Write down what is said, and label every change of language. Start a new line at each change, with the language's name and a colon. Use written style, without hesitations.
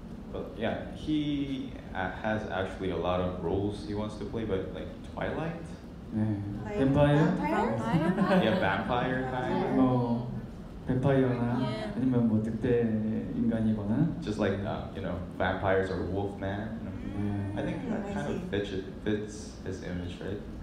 English: But yeah, he has actually a lot of roles he wants to play, but like Twilight.
Korean: 네,
English: like
Korean: 뱀파이어.
English: Vampire? Yeah, vampire kind.
Korean: 뭐 뱀파이어나 아니면 뭐 늑대 인간이거나.
English: Just like you know, vampires or wolfman. I think that kind of fits his image, right?